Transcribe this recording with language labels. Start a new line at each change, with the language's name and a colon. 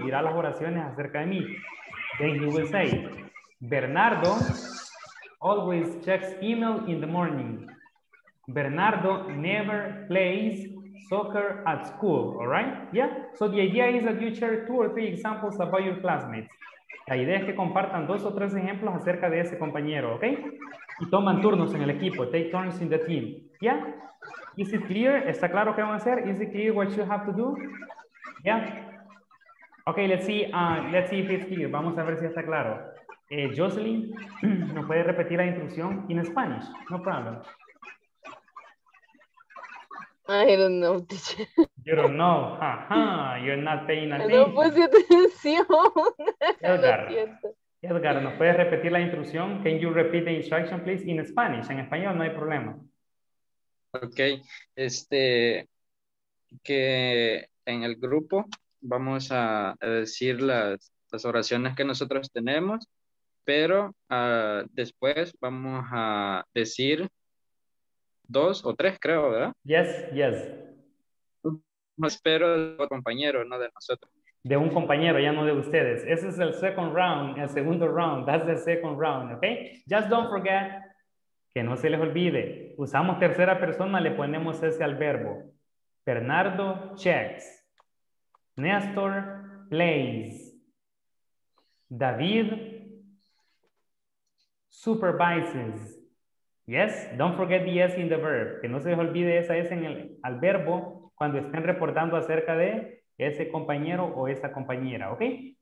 Spanish: Dirá las oraciones acerca de mí.
English: Then he will say, Bernardo always checks email in the morning. Bernardo never plays soccer at school, all right? Yeah, so the idea is that you share two or three examples about your classmates.
Spanish: La idea es que compartan dos o tres ejemplos acerca de ese compañero, okay? Y toman turnos en el equipo,
English: take turns in the team, yeah? Is it clear?
Spanish: ¿Está claro qué van a hacer?
English: Is it clear what you have to do? Yeah? Okay, let's see if it's clear.
Spanish: Vamos a ver si está claro. Jocelyn, ¿no puede repetir la instrucción
English: in Spanish? No problem. I don't know, teacher. You don't know, uh-huh. You're not paying
Spanish: attention. No puse atención. Edgar, Edgar, ¿nos puedes repetir la instrucción?
English: Can you repeat the instruction, please, in Spanish?
Spanish: En español no hay problema. Okay, este, que en el grupo vamos a decir las oraciones que nosotros tenemos, pero después vamos a decir dos o tres, creo, ¿verdad?
English: Yes, yes.
Spanish: Espero de un compañero, no de nosotros. De un compañero, ya no de ustedes. Ese es el
English: second round,
Spanish: el segundo round.
English: That's the second round, okay? Just don't forget,
Spanish: que no se les olvide. Usamos tercera persona, le ponemos ese al verbo.
English: Bernardo checks. Néstor plays. David supervises. Yes, don't forget the S in the verb.
Spanish: Que no se les olvide esa S en el al verbo cuando estén reportando acerca de ese compañero o esa compañera, okay?